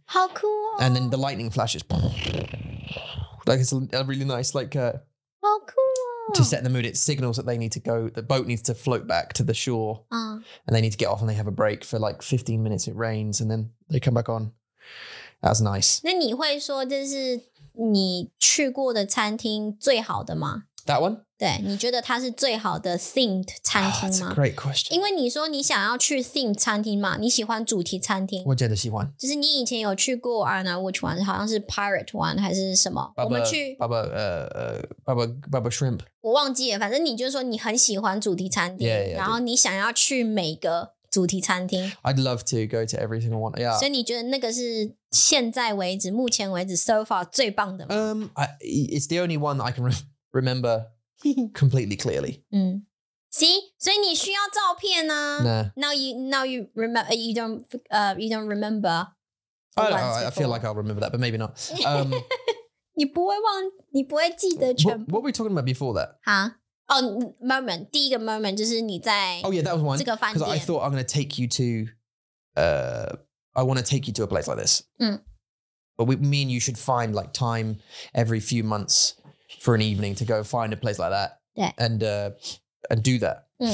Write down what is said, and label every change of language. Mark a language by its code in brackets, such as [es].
[en] How cool! And then the lightning flashes, like it's a really nice like. How cool! To set the mood, it signals that they need to go. The boat needs to float back to the shore, and they need to get off. And they have a break for like 15 minutes. It rains, and then they come back on. That's nice. [zh] 那你会说这是你去过的餐厅最好的吗? [en] That one? [zh] 对,你觉得它是最好的 themed 餐厅吗? [en] That's a great question. [zh] 因为你说你想要去 themed 餐厅嘛,你喜欢主题餐厅。我觉得喜欢。就是你以前有去过, [en] I don't know which one, [zh] 好像是 [en] pirate one [zh] 还是什么。 [en] Bubba, [zh] 我们去 [en] Bubba Shrimp. [zh] 我忘记了,反正你就是说你很喜欢主题餐厅。 [en] Yeah, yeah, [zh] 然后你想要去每个主题餐厅。 [en] I'd love to go to every single one. Yeah. [zh] 所以你觉得那个是现在为止,目前为止 [en] so far [zh] 最棒的吗? [en] It's the only one I can remember completely clearly. [zh] See? 所以你需要照片啊。 [en] Nah. Now you don't remember. I don't know, I feel like I'll remember that, but maybe not. [zh] 你不会忘,你不会记得全部。 [en] What were we talking about before that? [zh] Huh? moment, 第一个 moment 就是你在这个饭店。 [en] Oh yeah, that was one, because I thought I'm going to take you to, I want to take you to a place like this. But we mean you should find like time every few months for an evening to go find a place like that and do that.